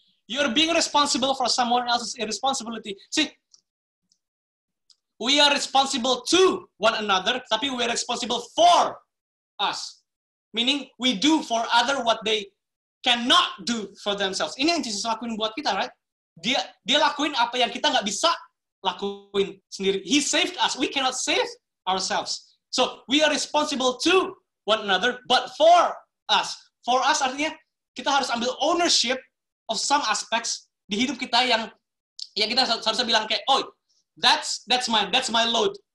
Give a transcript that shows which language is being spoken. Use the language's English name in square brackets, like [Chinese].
[English] You're being responsible for someone else's irresponsibility. See, we are responsible to one another, [Indonesian] tapi [English] we are responsible for us. Meaning, we do for other what they cannot do for themselves. [Indonesian] Ini yang Jesus lakuin buat kita, [English] right? [Indonesian] Dia lakuin apa yang kita nggak bisa lakuin sendiri. [English] He saved us. We cannot save ourselves. So, we are responsible to one another, but for us. For us [Indonesian] artinya, kita harus ambil [English] ownership of some aspects [Indonesian] di hidup kita yang kita harusnya bilang kayak, [English] oh, that's my load.